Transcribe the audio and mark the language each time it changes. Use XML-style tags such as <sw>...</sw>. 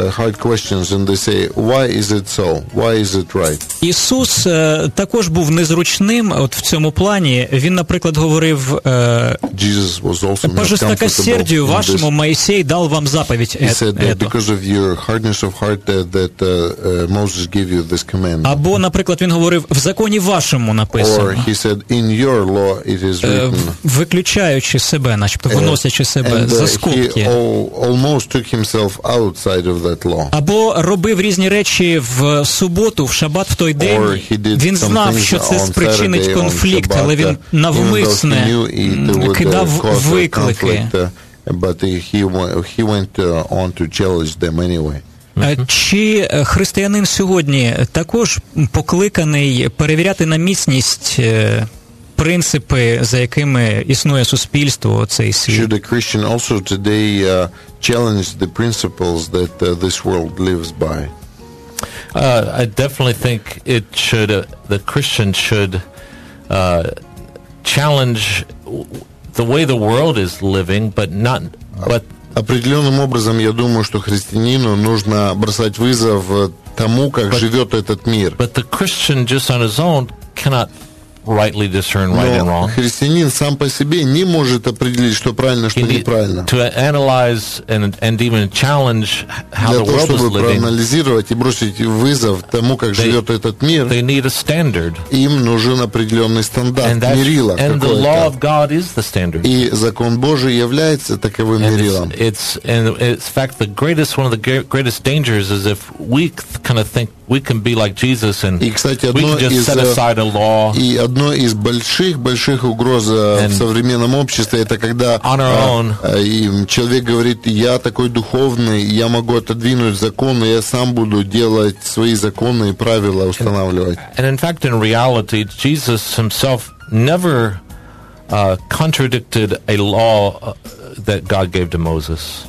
<en>Hard questions and they say, why is it so? Why is it right?</en> <uk>Ісус також був незручним от в цьому плані. Він, наприклад, говорив,</uk> <en>Jesus was also not comfortable.</en> <uk>По жестокосердію вашому Моїсей дав вам заповідь.</uk> <en>He said that because of your hardness of heart that Moses gave you this command.</en> <uk>Або, наприклад, він говорив, в законі вашому написано.</uk> <en>Or he said, in your law it is written.</en> <uk>Виключаючи себе, начебто, виносячи себе за скобки.</uk> <en>Almost took himself outside of that law.</en> <uk>Або робив різні речі в суботу, в шабат, в той день. Він знав, що це спричинить конфлікт, але він навмисне кидав виклики.</uk> <en>But he went on to challenge them anyway.</en> <uk>Чи християнин сьогодні також покликаний перевіряти на міцність принципи, за якими існує суспільство, цей світ?</uk> <en>Should a Christian also today challenge the principles that this world lives by? I definitely think it should, the Christian should challenge the way the world is living, but</en> <ru>определенным образом я думаю, что християнину нужно бросать вызов тому, как живет этот мир.</ru> <en>But the Christian just on his own cannot rightly discern right and wrong.</en> <ru>Христианин сам по себе не может определить, что правильно, что неправильно.</ru> <en>To analyze and even challenge how the world is living.</en> <ru>Чтобы проанализировать и бросить вызов тому, как живет этот мир.</ru> <en>They need a standard.</en> <ru>Им нужен определенный стандарт, мерило.</ru> <en>And the law of God is the standard.</en> <ru>И закон Божий является таковым мерилом.</ru> <en>It's in fact the greatest, one of the greatest dangers is if we kind of think we can be like Jesus and we can just set aside a law.</en> <ru>И одно из больших угроз в современном обществе это когда человек говорит: я такой духовный, я могу отодвинуть законы, я сам буду делать свои законы и правила устанавливать.</ru> <en>And in fact, in reality, Jesus himself never contradicted a law that God gave to Moses.</en>